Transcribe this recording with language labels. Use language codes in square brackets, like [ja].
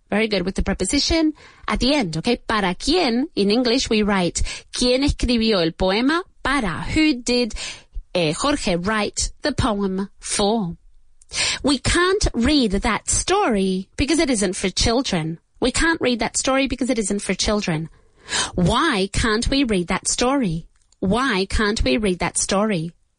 [en] Very good, with the preposition at the end, okay? [es] Para quién, [en] in English, we write, [es] ¿quién escribió el poema? [en] Para, who did Jorge write the poem for? We can't read that story because it isn't for children. We can't read that story because it isn't for children. Why can't we read that story? Why can't we read that story?